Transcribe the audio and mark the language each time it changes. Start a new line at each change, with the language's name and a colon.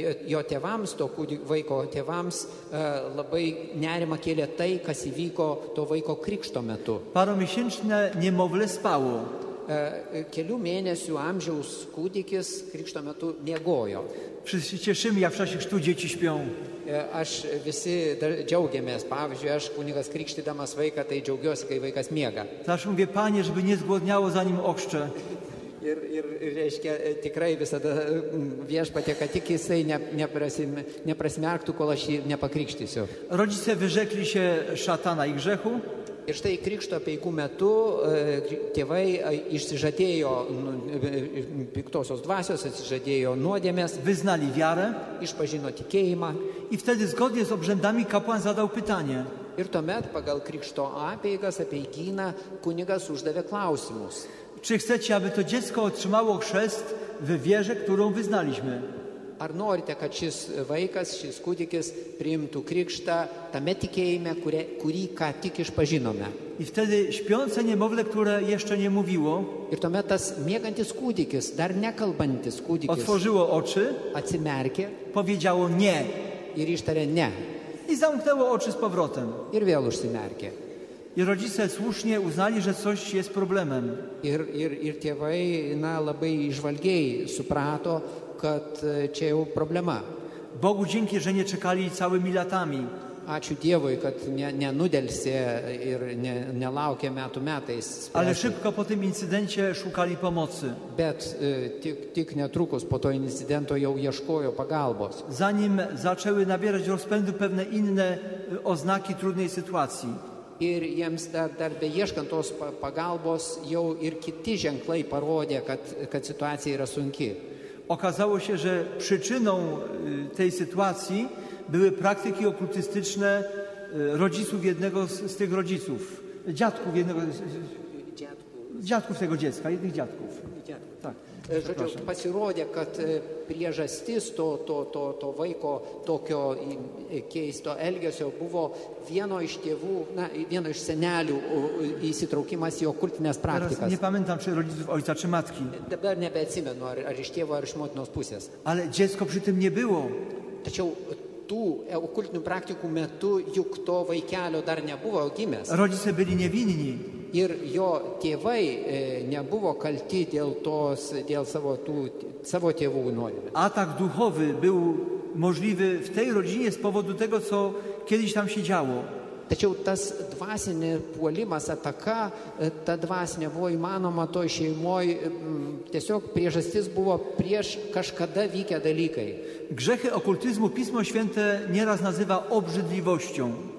Lithuanian: Jo tėvams, to vaiko tėvams, labai nerima kėlė tai, kas įvyko to vaiko krikšto metu.
Polish: Paromiesięczne niemowlę spało.
Lithuanian: Kelių mėnesių amžiaus kūdikis krikšto metu miegojo.
Polish: Wszyscy cieszymy, jak w czasie chrztu dzieci śpią.
Lithuanian: Aš visi džiaugiamės. Pavyzdžiui, aš kunigas krikštydamas vaiką, tai džiaugiuosi, kai vaikas miega.
Polish: Aš mówię, panie, żeby nie zgłodniało zanim ochrzczę.
Lithuanian: Ir reiškia, tikrai visada viešpatie, kad tik jisai neprasmerktų, kol aš jį nepakrikštysiu.
Polish: Rodzice wyrzekli się szatana i grzechu.
Lithuanian: Ir štai krikšto peikų metu tėvai išsižadėjo piktosios dvasios, atsižadėjo nuodėmės.
Polish: Vyznali wiarę.
Lithuanian: Išpažino tikėjimą.
Polish: I wtedy zgodnie z obrzędami kapłan zadał pytanie.
Lithuanian: Ir tuomet pagal krikšto apeigas, apeigyną, kunigas uždavė klausimus.
Polish: Czy chcecie, aby to dziecko otrzymało chrzest w wierze, którą wyznaliśmy?
Lithuanian: Ar norite, kad šis vaikas, šis kūdikis priimtų krikštą tame tikėjime, kurį ką tik išpažinome?
Polish: I wtedy śpiące niemowlę, które jeszcze nie mówiło,
Lithuanian: ir tuomet tas miegantis kūdikis, dar nekalbantis kūdikis,
Polish: otworzyło oczy,
Lithuanian: atsimerkė,
Polish: powiedziało nie.
Lithuanian: Ir ištarė ne.
Polish: I zamknęło oczy z powrotem.
Lithuanian: Ir vėl užsimerkė.
Polish: I rodzice słusznie uznali, że coś jest problemem.
Lithuanian: Ir tėvai, na, labai išvalgiai suprato, kad čia jau problema.
Polish: Bogu dzięki, że nie czekali całymi latami.
Lithuanian: Ačiū Dievui, kad nenudelsė ir nelaukė metų metais. Spręsti.
Polish: Ale szybko po tym incydencie szukali pomocy.
Lithuanian: Bet tik netrukus po to incidento jau ieškojo pagalbos.
Polish: Zanim zaczęły nabierać rozpędu pewne inne oznaki trudnej sytuacji.
Lithuanian: Ir jiems dar beieškant tos pagalbos, jau ir kiti ženklai parodė, kad situacija yra sunki.
Polish: Okazało się, że przyczyną tej sytuacji były praktyki okultystyczne rodziców jednego z tych rodziców. Dziadków jednego dziadków tego dziecka, jednych dziadków. Tak.
Lithuanian: Žodžiu, pasirodė, kad priežastis to vaiko tokio keisto elgesio buvo vieno iš tėvų, na, vieno iš senelių įsitraukimas į okultinės praktikas.
Polish: Teraz nepamintam, či rodzicu, ojca, či matki.
Lithuanian: Dabar nebeatsimenu, ar iš tėvų, ar iš motinos pusės.
Polish: Ale dziecko przy tym nie było.
Lithuanian: Tačiau tų okultinių praktikų metu juk to vaikelio dar nebuvo gimęs.
Polish: Rodzice byli nevinni.
Lithuanian: Ir jo tėvai nebuvo kalti dėl tos, dėl savo, tų, savo tėvų nuodėmės.
Polish: Atak duchowy był możliwy w tej rodzinie z powodu tego, co kiedyś tam się działo.
Lithuanian: Tačiau tas dvasinė puolimas, ataka, ta dvasinė buvo įmanoma toj šeimoj, tiesiog priežastis buvo prieš kažkada vykę dalykai.
Polish: Grzechy okultyzmu Pismo Święte nieraz nazywa obrzydliwością.